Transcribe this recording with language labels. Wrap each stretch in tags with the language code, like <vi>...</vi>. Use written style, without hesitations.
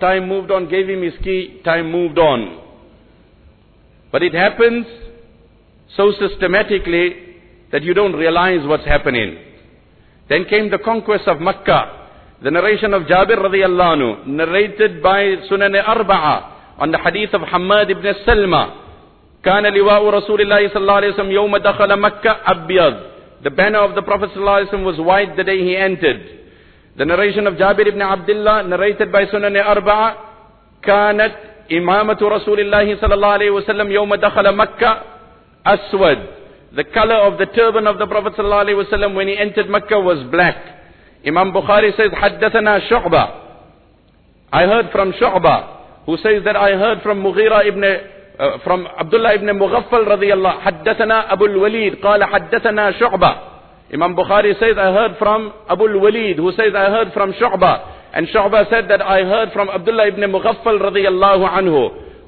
<en>Time moved on, gave him his key. Time moved on. But it happens so systematically that you don't realize what's happening. Then came the conquest of Makkah. The narration of Jabir radiallahu anhu, narrated by Sunan Arba'ah on the hadith of Hammad ibn Salma.</en> <ar>كان لواء رسول الله صلى الله عليه وسلم يوم دخل مكة أبيض.</ar> <en>The banner of the Prophet صلى الله عليه وسلم was white the day he entered. The narration of Jabir ibn Abdullah, narrated by Sunan Arba'ah.</en> <ar>كانت إمامة رسول الله صلى الله عليه وسلم يوم دخل مكة أسود.</ar> <en>The color of the turban of the Prophet sallallahu alaihi wasallam when he entered Mecca was black. Imam Bukhari says, "Haddathana Shu'bah." I heard from Shu'bah, who says that I heard from Mughira ibn from Abdullah ibn Mughaffal radiyallahu anhu.</en> <ar>Haddathana Abu al-Walid. Qala haddathana Shu'bah.</ar> <en>Imam Bukhari says, "I heard from Abu al-Walid," who says, "I heard from Shu'bah," and Shu'bah said that I heard from Abdullah ibn Mughaffal radiyallahu anhu.</en>